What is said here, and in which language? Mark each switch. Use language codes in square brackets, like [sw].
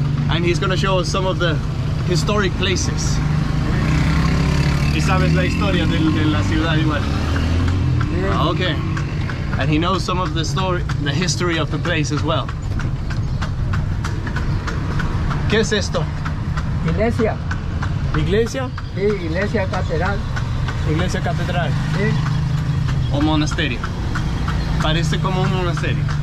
[en] And he's going to show us some of the historic places. [es] ¿Y sabes la historia de la ciudad igual? Sí. [en] Okay. And he knows some of the story, the history of the place as well. [es] ¿Qué es esto? Iglesia. ¿Iglesia? Sí, iglesia catedral. ¿Iglesia catedral? Sí. ¿O monasterio? Parece como un monasterio.